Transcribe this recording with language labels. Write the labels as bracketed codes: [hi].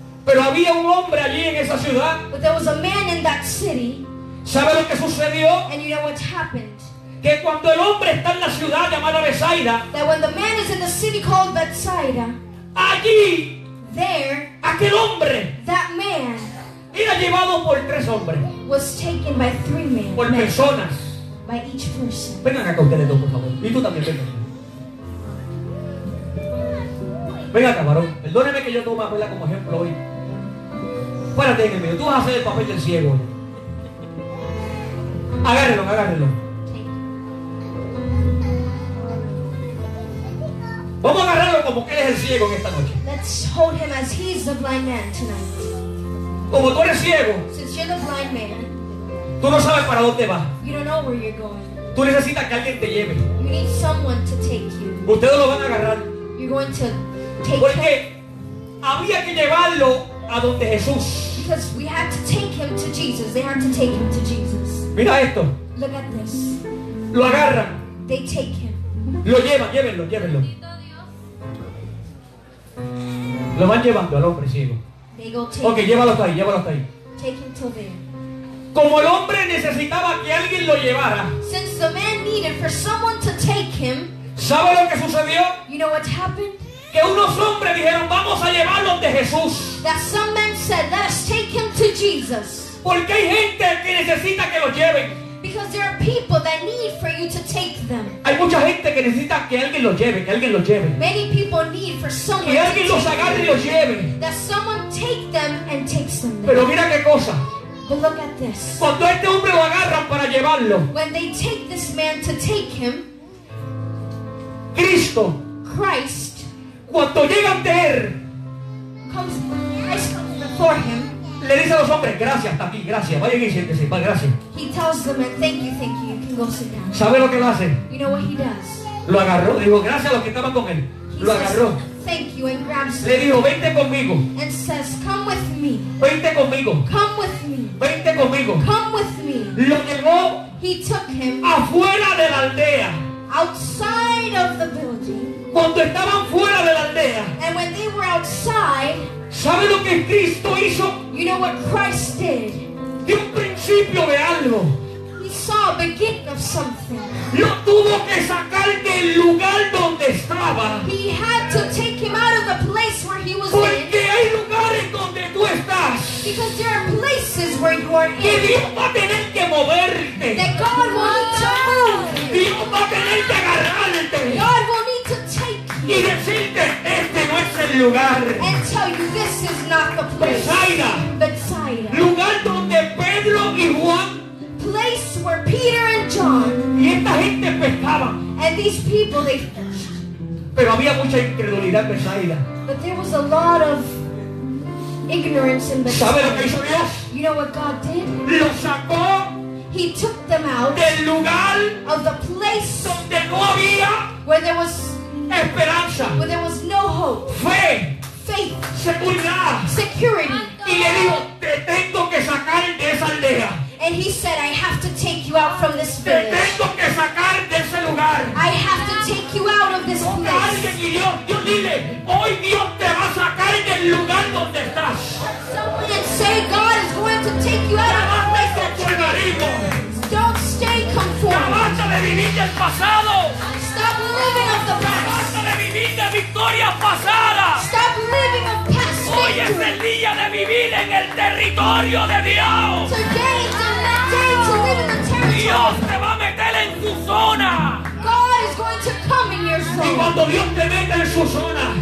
[es] Pero había un hombre allí en esa ciudad. [en] But there was a man in that city. [es] ¿Sabe lo que sucedió? [en] And you know what happened. [es] Que cuando el hombre está en la ciudad llamada Bethsaida, [en] that when the man is in the city called Bethsaida, [es] allí, [en] there, [es] aquel hombre, [en] that man, [es] era llevado por tres hombres, [en] was taken by three men, [es] por personas, [en] by each person. [es] Vengan acá ustedes dos, por favor. Y tú también, venga. Venga acá, varón. Perdóneme que yo tome a verla como ejemplo hoy. Párate en el medio. Tú vas a hacer el papel del ciego. Agárrenlo, agárrenlo. Vamos a agarrarlo como que él es el ciego en esta noche. [en] Let's hold him as he's the blind man tonight. [es] Como tú eres ciego. [en] Since you're the blind man. [es] Tú no sabes para dónde vas. [en] You don't know where you're going. [es] Tú necesitas que alguien te lleve. [en] You need someone to take you. [es] Ustedes lo van a agarrar. [en] You're going to take. [es] Porque había que llevarlo a donde Jesús. [en] Because we had to take him to Jesus. They had to take him to Jesus. [es] Mira esto. [en] Look at this. [es] Lo agarran. [en] They take him. [es] Lo llevan, llévenlo. Lo van llevando al hombre ciego. [en] Ok, [es] llévalo hasta ahí. [en] Take him to there. [es] Como el hombre necesitaba que alguien lo llevara. [en] Since the man needed for someone to take him. [es] ¿Sabe lo que sucedió? [en] You know what happened? [es] Que unos hombres dijeron, vamos a llevarlo de Jesús. [en] That some men said, let us take him to Jesus. [es] Porque hay gente que necesita que lo lleven. [en] Because there are people that need for you to take them. [es] Hay mucha gente que necesita que alguien los lleve, [en] Many people need for someone [es] que alguien los agarre y los lleve. [en] That someone take them and takes them. [es] Pero mira qué cosa. [en] But look at this. [es] Cuando este hombre lo agarran para llevarlo. [en] When they take this man to take him. [es] Cristo. [en] Christ. [es] Cuando llega ante él. [en] Comes, Christ comes before him. [es] Le dice a los hombres, gracias, hasta aquí, gracias. Vayan y siéntese, va, gracias. [en] He tells the men, thank you, you can go sit down. [es] ¿Sabe lo que lo hace? [en] You know what he does. [es] Lo agarró, dijo, gracias a los que estaban con él. Lo agarró. [en] Thank you and grabs him. [es] Le dijo, vente conmigo. [en] And says, come with me. [es] Vente conmigo. [en] Come with me. [es] Vente conmigo. [en] Come with me. [es] Lo llevó. [en] He took him. [es] Afuera de la aldea. [en] Outside of the building. [es] Cuando estaban fuera de la aldea. [en] And when they were outside. [es] ¿Sabe lo que Cristo hizo? [en] You know what Christ did? [es] Dio un principio de algo. [en] He saw a beginning of something. [es] Lo tuvo que sacar del lugar donde estaba. [en] He had to take him out of the place where he was. [es] Porque [en] in. [es] Hay lugares donde tú estás. [en] Because there are places where you are in. [es] Que Dios va a tener que moverte. [en] That God will need to move. [es] Dios va a tener que agarrarte. [en] God will need to take you. [es] Y decirte, este no es el lugar. [en] And tell you, this is not the place. [es] Bethsaida. Lugar donde Pedro y Juan. [en] Place where Peter and John. [es] Y esta gente pescaba. [en] And these people, they fished. [es] Pero había mucha incredulidad en Bethsaida. [en] But there was a lot of ignorance in Bethsaida. [es] ¿Sabe lo que hizo Dios? [en] You know what God did? [es] Lo sacó. [en] He took them out. [es] Del lugar. [en] Of the place. [es] Donde no había. [en] Where there was. [es] Esperanza. [en] Where there was no hope. [es] Fe. [en] Faith. [es] Seguridad. [en] Security. [es] Y le dijo, te tengo que sacar de esa aldea. [en] And he said, I have to take you out from this village. [es] Te tengo que sacar de ese lugar. [en] I have to take you out of this place. [es] Y Dios dile, hoy Dios te va a sacar del lugar donde estás. [en] Someone and say, God is going to take you out of this place. Don't stay conformed. [es] Ya basta de vivir el pasado. [en] Stop living of the past. [es] Ya basta de vivir de victorias pasadas. [en] Stop living of past victories. [es] Hoy es el día de vivir en el territorio de Dios. [en] Today is the day to live in the territory. [es] Dios te va a meter en tu zona. [en] God is going to come in your zone. [es] Y cuando Dios te mete en su zona.